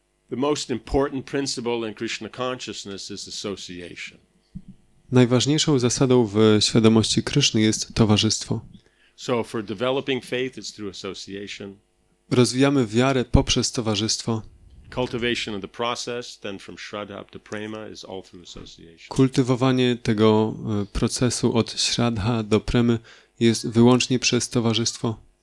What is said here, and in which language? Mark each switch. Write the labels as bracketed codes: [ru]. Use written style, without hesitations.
[en] The most important principle in Krishna consciousness is association. [pl] Najważniejszą zasadą w świadomości Kryszny jest towarzystwo. [en] So for developing faith it's through association. [pl] Rozwijamy wiarę poprzez towarzystwo. [en] Cultivation of the process then from Shraddha up to Prema is all through association. [pl] Kultywowanie tego procesu od Shraddha do Premy jest wyłącznie przez towarzystwo.